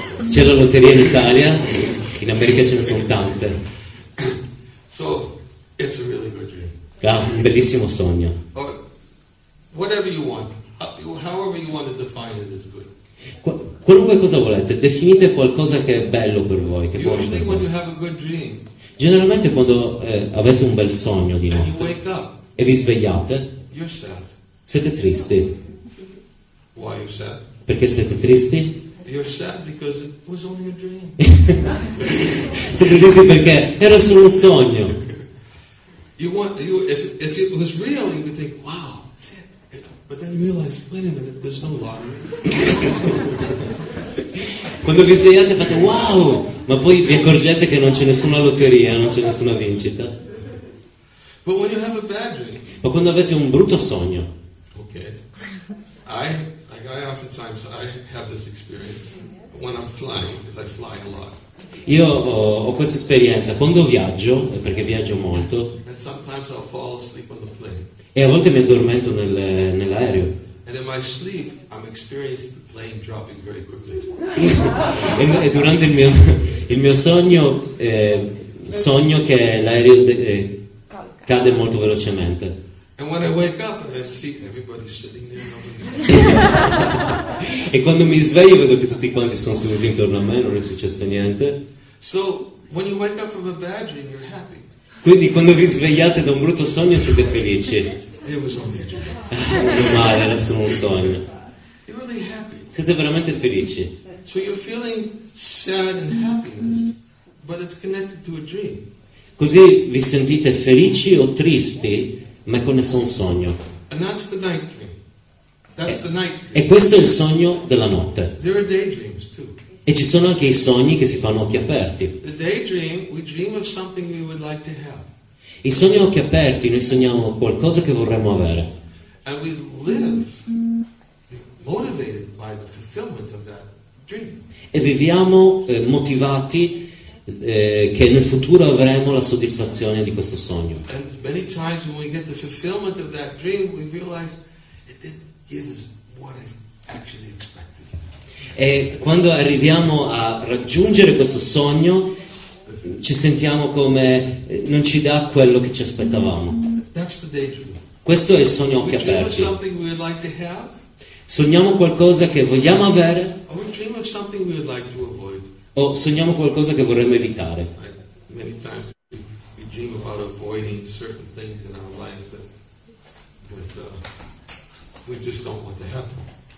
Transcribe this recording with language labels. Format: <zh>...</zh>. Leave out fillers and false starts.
<it>C'è la lotteria in Italia, in America ce ne sono tante.</it> <en>So, it's a really good dream.</en> <it>Un bellissimo sogno.</it> <en>Whatever you want, however you want to define it is good.</en> <it>Qualunque cosa volete, definite qualcosa che è bello per voi, che può essere.</it> <en>When you have a good dream.</en> <it>Generalmente quando avete un bel sogno di notte e vi svegliate,</it> <en>you're sad.</en> <it>Siete tristi.</it> <en>Why are you sad?</en> <it>Perché siete tristi?</it> <en>You're sad because it was only a dream.</en> <it>Siete tristi perché era solo un sogno.</it> <en>If it was real, you would think, wow, that's it. But then you realize, wait a minute, there's no lottery.</en> <it>Quando vi svegliate fate wow, ma poi vi accorgete che non c'è nessuna lotteria, non c'è nessuna vincita.</it> <en>But when you have a bad dream.</en> <it>Ma quando avete un brutto sogno.</it> <en>I oftentimes I have this experience when I'm flying because I fly a lot.</en> <it>Io ho questa esperienza quando viaggio, perché viaggio molto.</it> <en>And sometimes I'll fall asleep on the plane.</en> <it>E a volte mi addormento nell'aereo.</it> <en>And in my sleep I'm experiencing the plane dropping very quickly.</en> <it>E durante il mio sogno sogno che l'aereo cade molto velocemente.</it> <en>And when I wake up and I see everybody sitting there.</en> <it>E quando mi sveglio vedo che tutti quanti sono seduti intorno a me, non è successo niente.</it> <en>So, when you wake up from a bad dream, you're happy.</en> <it>Quindi quando vi svegliate da un brutto sogno siete felici. Non male, era solo un sogno.</it> <en>You're really happy.</en> <it>Siete veramente felici.</it> <en>So you're feeling sad and happiness, but it's connected to a dream.</en> <it>Così vi sentite felici o tristi, ma è connesso a un sogno.</it> <en>And that's the night dream. That's the night dream.</en> <it>E questo è il sogno della notte.</it> <en>There are daydreams too.</en> <it>E ci sono anche i sogni che si fanno occhi aperti.</it> <en>The daydream, we dream of something we would like to have.</en> <it>I sogni occhi aperti, noi sogniamo qualcosa che vorremmo avere.</it> <en>And we live motivated by the fulfillment of that dream.</en> <it>E viviamo motivati che nel futuro avremo la soddisfazione di questo sogno.</it> <en>And many times when we get the fulfillment of that dream, we realize it didn't give us what I actually expected.</en> <it>E quando arriviamo a raggiungere questo sogno, ci sentiamo come non ci dà quello che ci aspettavamo.</it> <en>That's the daydream.</en> <it>Questo è il sogno occhi aperti.</it> <en>Something we would like to have.</en> <it>Sogniamo qualcosa che vogliamo avere.</it> <en>Or we dream of something we would like to avoid.</en> <it>O sogniamo qualcosa che vorremmo evitare.</it> <en>Many times we dream about avoiding certain things in our life that we just don't want to happen.</en>